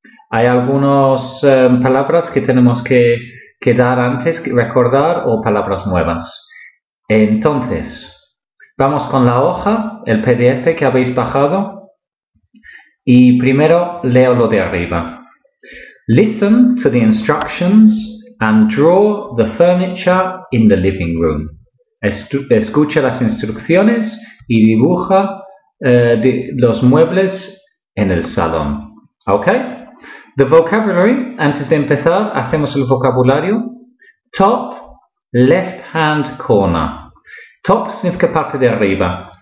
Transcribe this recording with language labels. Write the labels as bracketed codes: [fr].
[es] Hay algunas palabras que tenemos que dar antes, que recordar o palabras nuevas. Entonces, vamos con la hoja, el PDF que habéis bajado, y primero leo lo de arriba. [en] Listen to the instructions and draw the furniture in the living room. [es] Escucha las instrucciones y dibuja los muebles en el salón. ¿Ok? [en] The vocabulary, [es] antes de empezar, hacemos el vocabulario. [en] Top, left hand corner. Top [es] significa parte de arriba.